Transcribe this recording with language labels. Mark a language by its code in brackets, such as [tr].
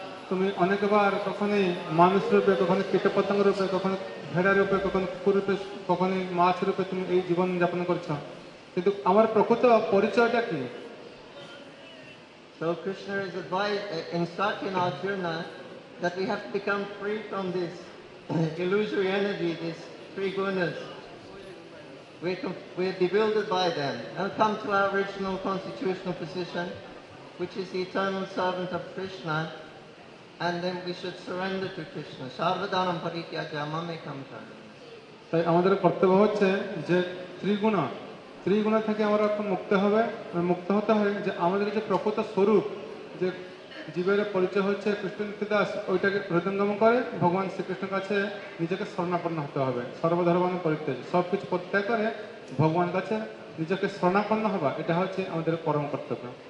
[bn] তুমি অনেকবার কখনই মানুষ রূপে কখনো কীটপতঙ্গ রূপে কখনো ভেড়া রূপে কখনো কুকুর রূপে কখনো মাছ রূপে তুমি এই জীবন যাপন করছো কিন্তু আমার প্রকৃত পরিচয়টা কি [en] So Krishna is instructing Arjuna that we have to become free from this illusory energy, this three gunas. We are bewildered by them and come to our original constitutional position, which is the eternal servant of Krishna, and then we should surrender to Krishna [sa] sarvadanam parityajya mamekam [bn] charanam তাই আমাদের কর্তব্য হচ্ছে যে ত্রিগুণ থেকে আমরা মুক্ত হবে আর মুক্ত হতে হয় যে আমাদের যে প্রকৃত স্বরূপ যে জীবের পরিচয় হচ্ছে কৃষ্ণ দাস ওইটাকে হৃদয়ঙ্গম করে ভগবান শ্রীকৃষ্ণের কাছে নিজেকে শরণাপন্ন হতে হবে সর্বধর্মান পরিত্যাজ্য সব কিছু প্রত্যাগ করে ভগবানের কাছে নিজেকে শরণাপন্ন হওয়া এটা হচ্ছে আমাদের পরম কর্তব্য